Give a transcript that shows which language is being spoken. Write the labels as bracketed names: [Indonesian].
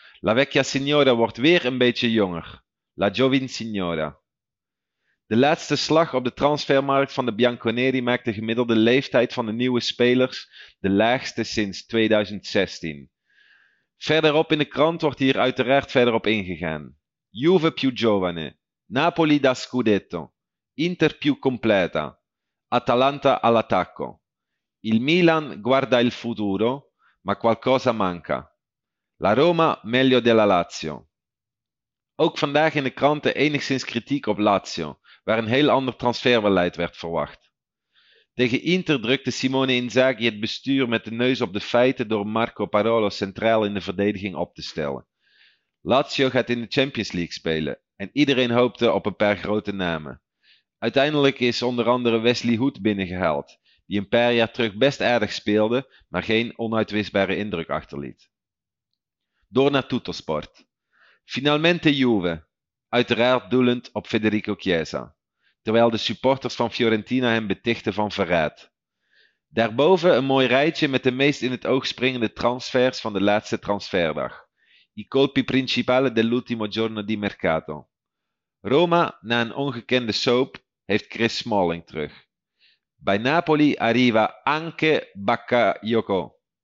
[Dutch] La Vecchia Signora wordt weer een beetje jonger. La Giovin Signora. De laatste slag op de transfermarkt van de Bianconeri maakt de gemiddelde leeftijd van de nieuwe spelers de laagste sinds 2016. Verderop in de krant wordt hier uiteraard verder op ingegaan. [Italian] Juve più giovane. Napoli da Scudetto, Inter più completa, Atalanta all'attacco. Il Milan guarda il futuro, ma qualcosa manca. La Roma meglio della Lazio. [Dutch] Ook vandaag in de kranten enigszins kritiek op Lazio, waar een heel ander transferbeleid werd verwacht. Tegen Inter drukte Simone Inzaghi het bestuur met de neus op de feiten door Marco Parolo centraal in de verdediging op te stellen. Lazio gaat in de Champions League spelen. En iedereen hoopte op een paar grote namen. Uiteindelijk is onder andere Wesley Hoed binnengehaald, die een paar jaar terug best aardig speelde, maar geen onuitwisbare indruk achterliet. Door naar Tuttosport. [Italian] Finalmente Juve, [Dutch] uiteraard doelend op Federico Chiesa, terwijl de supporters van Fiorentina hem betichten van verraad. Daarboven een mooi rijtje met de meest in het oog springende transfers van de laatste transferdag. [Italian] I colpi principali dell'ultimo giorno di mercato. Roma, [Dutch] na een ongekende soap, heeft Chris Smalling terug. Bij Napoli arriva anche Bakayoko.